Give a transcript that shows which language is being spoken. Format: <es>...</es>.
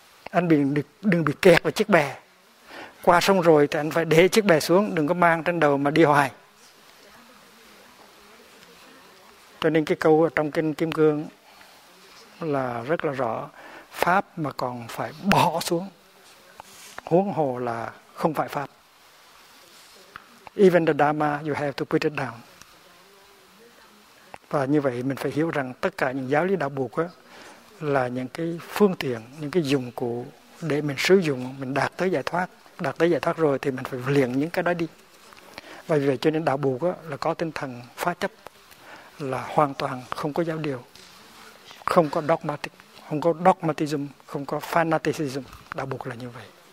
<vi>Anh đừng bị kẹt vào chiếc bè. Qua sông rồi thì anh phải để chiếc bè xuống, đừng có mang trên đầu mà đi hoài. Cho nên cái câu trong kinh Kim Cương là rất là rõ. Pháp mà còn phải bỏ xuống, huống hồ là không phải pháp.</vi> <en>Even the Dharma, you have to put it down.</en> <vi>Và như vậy mình phải hiểu rằng tất cả những giáo lý đạo Bụt là những cái phương tiện, những cái dụng cụ để mình sử dụng, mình đạt tới giải thoát. Đạt tới giải thoát rồi thì mình phải liền những cái đó đi. Và vì vậy cho nên đạo Bụt là có tinh thần phá chấp, là hoàn toàn không có giáo điều, không có dogmatic, không có dogmatism, không có fanaticism. Đạo Bụt là như vậy.</vi>